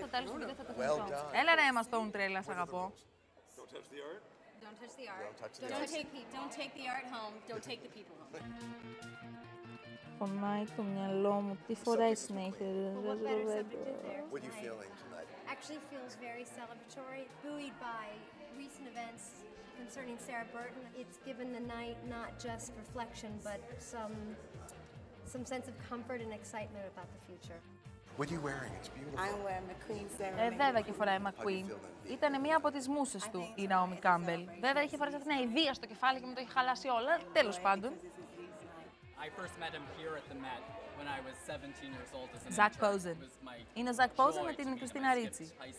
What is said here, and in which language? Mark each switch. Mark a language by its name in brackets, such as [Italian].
[Greek] το τέλος του βίντεο θα το δείξω. Έλα ρε Emma Stone τρέλα, σ' αγαπώ. [English] Don't touch the art. Don't touch the art. Don't take the art home. Don't take the people home. [Greek] Φωνάει το μυαλό μου. Τι φοράει συνέχεια. [English] What better subject is there? What are you feeling tonight? Actually feels very celebratory. Buoyed by recent events concerning Sarah Burton. It's given the night not just reflection, but some sense of comfort and excitement about the future. What are you wearing? It's beautiful. I'm wearing McQueen's ceremony. [Greek] Βέβαια και φοράει McQueen. Ήταν μία από τις μούσες του, η Naomi Campbell. Βέβαια είχε φορέσει αυτήν την ιδέα στο κεφάλι και μου το είχε χαλάσει όλα, τέλος πάντων. [English] I first met him here at the Met when I was 17 years old as an Zach Posen. [Greek] Είναι Zach Posen με την Κριστίνα Ρίτσι.